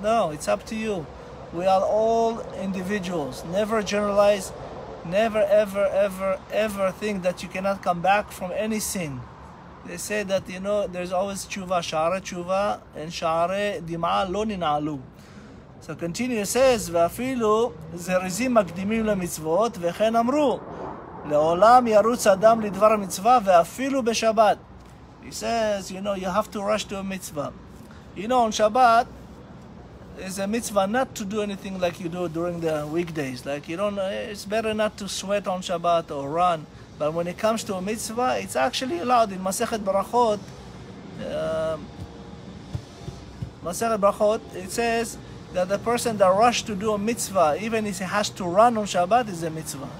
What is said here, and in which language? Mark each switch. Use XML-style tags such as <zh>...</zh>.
<en>No, it's up to you. We are all individuals. Never generalize. Never, ever, ever, ever think that you cannot come back from any sin. They say that, you know, there's always tshuva, sha'are tshuva, and</en> <he>sha'are dim'a lo nina'alu.</he> <en>So continue, it says,</en> <he>ואפילו זריזים מקדימים למצוות, וכן אמרו, לעולם ירוץ אדם לדבר המצווה, ואפילו בשבת.</he> <en>He says, you know, you have to rush to a mitzvah. You know, on Shabbat, it's a mitzvah not to do anything like you do during the weekdays. Like, you don't, it's better not to sweat on Shabbat or run. But when it comes to a mitzvah, it's actually allowed. In Masechet Brachot, it says that the person that rush to do a mitzvah, even if he has to run on Shabbat, is a mitzvah.</en>